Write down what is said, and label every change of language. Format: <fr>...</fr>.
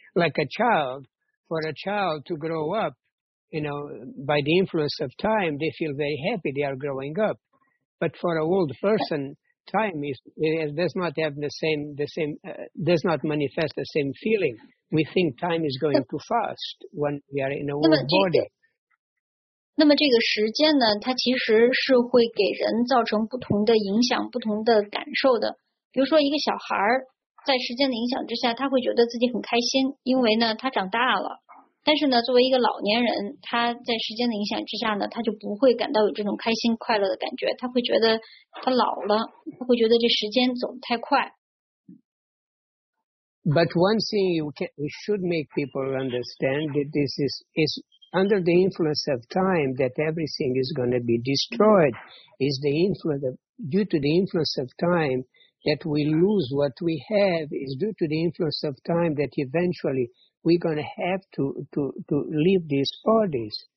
<en>Like a child, for a child to grow up, you know, by the influence of time, they feel very happy they are growing up. But for an old person, time does not manifest the same feeling. We think time is going too fast when we are in a old body.</en> <zh>那么这个时间呢，它其实是会给人造成不同的影响，不同的感受的。比如说一个小孩在时间的影响之下，他会觉得自己很开心，因为呢他长大了。但是呢作为一个老年人，他在时间的影响之下呢，他就不会感到有这种开心快乐的感觉，他会觉得他老了，他会觉得这时间走得太快。</zh> <en>But one thing you should make people understand that this is under the influence of time that everything is going to be destroyed. Is the influence of, due to the influence of time that we lose what we have, is due to the influence of time that eventually we're going to have to leave these bodies.</en>